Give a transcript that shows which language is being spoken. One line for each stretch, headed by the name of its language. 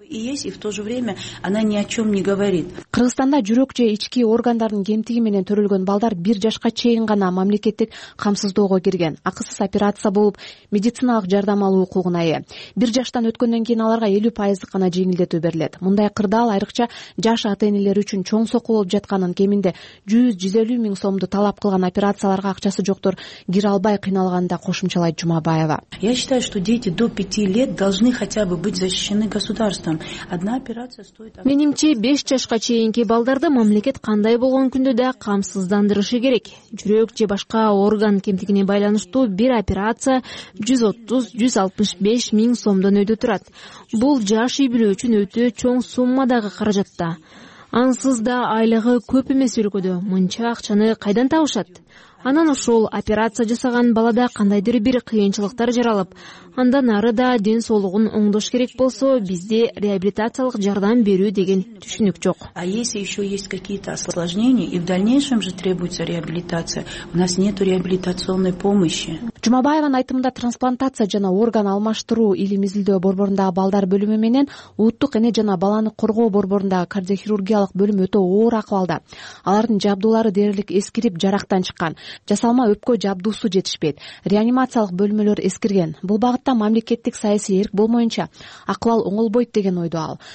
Russian: Есть и в то же время она ни о чем не говорит.
Kyrgyz: Кыргызстанда жүрөк же ички органдардын кемтиги менен төрөлгөн балдар бир жашка чейин гана мамлекеттик камсыздоого кирген. Акысыз операция болуп, медициналык жардам алуу укугуна ээ. Бир жаштан өткөндөн кийин аларга 50% гана жеңилдетүү берилет. Мындай кырдаал айрыкча жаш ата-энелер үчүн чоң сокол болуп жатканын, кеминде 100-150 миң сомду талап кылган операцияларга акчасы жоктор кире албай кыйналганын да кошумчалайт Жумабаева.
Russian: Я считаю, что дети до 5 лет должны хотя бы быть защищены государством.
Kyrgyz: Менимче 5 жашка чейинки балдарды мамлекет кандай болгон күндө да камсыздандырышы керек. Жүрөк же башка орган кемтигине байланыштуу бир операция 130-165 миң сомдон өйдө турат. Бул жаш үй бүлө үчүн өтө чоң суммадагы каражатта. Ансыз да айлыгы көп эмес өлкөдө мынча акчаны кайдан табышат? Анан ошол операция жасаган балада кандайдыр бир кыйынчылыктар жаралып, андан ары да ден соолугун оңдош керек болсо, бизде реабилитациялык жардам берүү деген түшүнүк жок.
Russian: А если еще есть какие-то осложнения и в дальнейшем же требуется реабилитация, у нас нету реабилитационной помощи.
Kyrgyz: Жумабаеванын айтымында трансплантация жана орган алмаштыруу илим изилдөө борборундагы балдар бөлүмү менен ууттук эне жана баланы коргоо борборундагы кардиохирургиялык бөлүм өтө оор акыбалда. Алардын жабдуулары дээрлик эскирип, жарактан чыккан. Жасалма өпкө жабдуусу жетишпейт. Реанимациялык бөлмөлөр эскирген. Бул багытта мамлекеттик саясий эрк болмоюнча акыбал оңолбойт деген ойдо ал.